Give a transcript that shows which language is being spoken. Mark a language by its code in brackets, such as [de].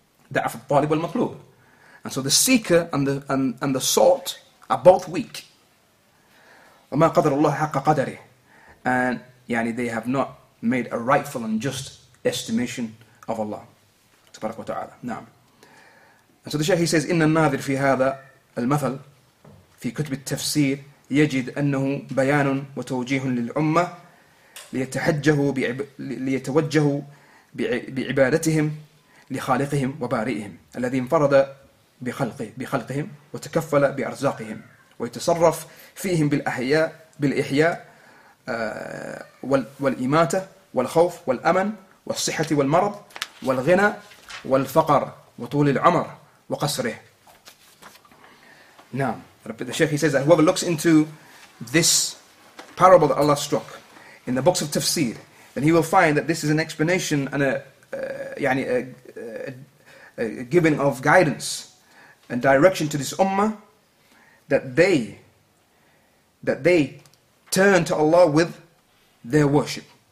[en] That of [ar] طالب المطلوب. [en] And so the seeker and the sought are both weak. [ar] وما قدر الله حق قدره. [en] And yani they have not made a rightful and just estimation of Allah. [ar] تبارك وتعالى. نعم. [en] And so the Shaykh, he says, [ar] إن الناظر في هذا المثل في كتب التفسير يجد أنه بيان وتوجيه للأمة ليتوجهوا بعبادتهم لخالقهم وبارئهم الذي انفرد بخلقهم وتكفل بأرزاقهم ويتصرف فيهم بالإحياء والإماتة والخوف والأمن والصحة والمرض والغنى والفقر وطول العمر وقصره. نعم. [en] The Shaykh, he says that whoever looks into this parable that Allah struck in the books of Tafsir, then he will find that this is an explanation and a giving of guidance and direction to this ummah, that they turn to Allah with their worship.